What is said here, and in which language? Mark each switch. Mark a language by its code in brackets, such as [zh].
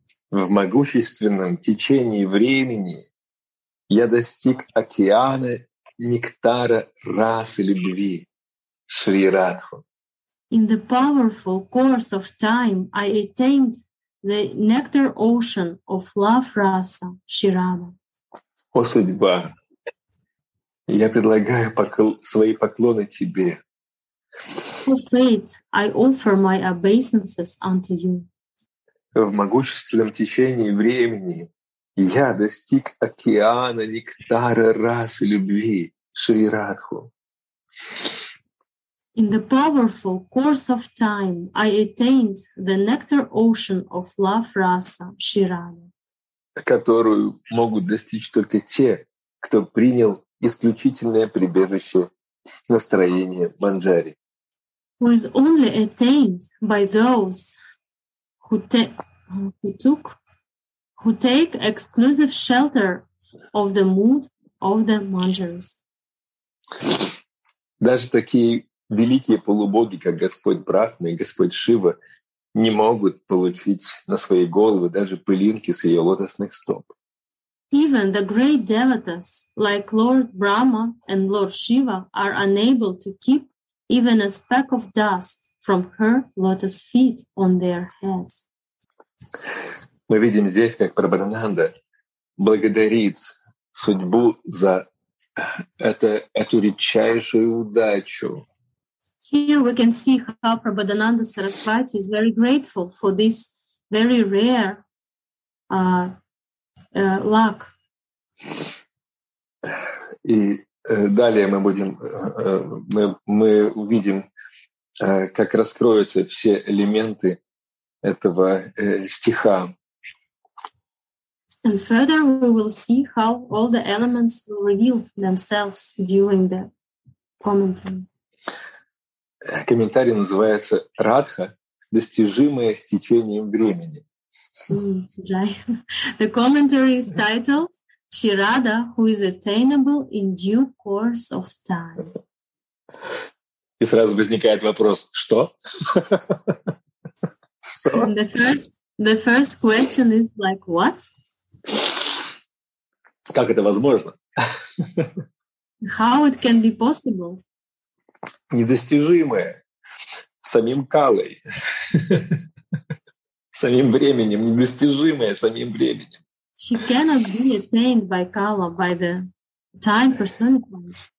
[ru] В могущественном течении времени я достиг океана нектара расы любви, Шри Радху. [en] In the powerful course of time, I attained the nectar ocean of love rasa, Шри Радху. [ru] О, судьба, я предлагаю свои поклоны тебе. [en] О, fate, I offer my obeisances unto you. [ru] В могущественном течении времени я достиг океана нектара расы любви, Шри Радху. [en] In the powerful course of time, I attained the nectar ocean of love rasa, Шри Радху. [ru] Которую могут достичь только те, кто принял исключительное прибежище настроения Манджари. [en] Who is only attained by those who take exclusive shelter of the mood of the Manjaris. [ru] Даже такие великие полубоги, как Господь Брахма и Господь Шива, не могут получить на свои головы даже пылинки с ее лотосных стоп. [en] Even the great devatas, like Lord Brahma and Lord Shiva, are unable to keep even a speck of dust from her lotus feet on their heads. [ru] Мы видим здесь, как Прабхананда благодарит судьбу за эту редчайшую удачу. [en] Here we can see how Prabhadananda Sarasvati is very grateful for this very rare luck. [ru] И далее мы будем, мы увидим, как раскроются все элементы этого стиха. [en] And further we will see how all the elements will reveal themselves during the commentary. [ru] Комментарий называется «Радха, достижимая с течением времени». [en] The commentary is titled «Шри Радха, who is attainable in due course of time». [ru] И сразу возникает вопрос «Что?» [en] The first question is like «What?» [ru] Как это возможно? [en] How it can be possible? [ru] Недостижимое самим Калой, самим временем, недостижимое самим временем. [en] She cannot be attained by Kala, by the time personified.